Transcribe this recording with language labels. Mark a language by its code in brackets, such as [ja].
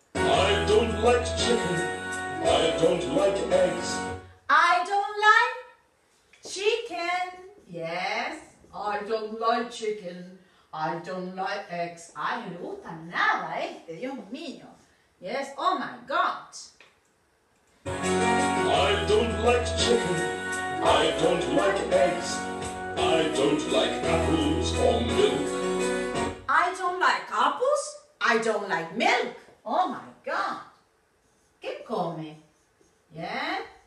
[en] I don't like chicken, I don't like eggs. I don't like chicken. Yes, I don't like chicken, I don't like eggs. [es] Ay, no me gusta nada este, Dios mío. [en] Yes, oh my God. I don't like chicken, I don't like eggs. I don't like apples or milk. I don't like apples, I don't like milk. Oh my God. [es] ¿Qué come? [en] Yeah.